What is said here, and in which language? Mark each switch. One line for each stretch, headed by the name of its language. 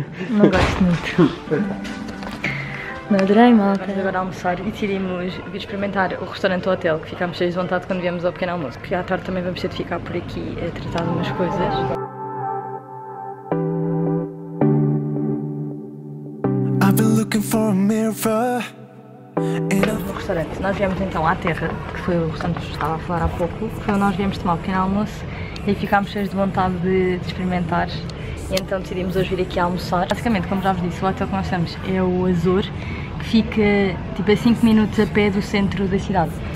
Portuguese: Não gosto muito. Não adorei, malta. Vamos agora almoçar e decidimos vir experimentar o restaurante ou hotel, que ficámos cheios de vontade quando viemos ao pequeno almoço, porque à tarde também vamos ter de ficar por aqui a tratar de umas coisas.
English: I've been looking for a mirror.
Portuguese: No restaurante, nós viemos então à terra, que foi o restaurante que estava a falar há pouco, foi onde nós viemos tomar um pequeno almoço e ficámos cheios de vontade de experimentar e então decidimos hoje vir aqui a almoçar. Basicamente, como já vos disse, o hotel que nós temos é o Azur, que fica tipo a 5 minutos a pé do centro da cidade.